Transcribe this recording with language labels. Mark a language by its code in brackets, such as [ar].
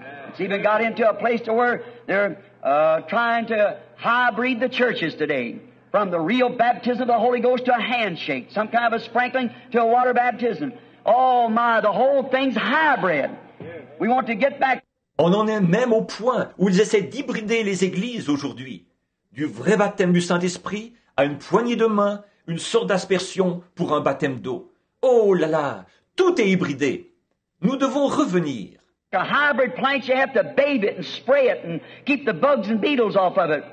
[en] It's even got into a place to where they're trying to hybrid the churches today, from the real baptism of the Holy Ghost to a handshake, some kind of a sprinkling to a water baptism. Oh my, the whole thing's hybrid. We want to get back. [fr] On en est même au point où ils essaient d'hybrider les églises aujourd'hui. Du vrai baptême du Saint-Esprit à une poignée de main, une sorte d'aspersion pour un baptême d'eau. Oh là là, tout est hybridé. Nous devons revenir. [en] A hybrid plant, you have to bathe it and spray it and keep the bugs and beetles off of it.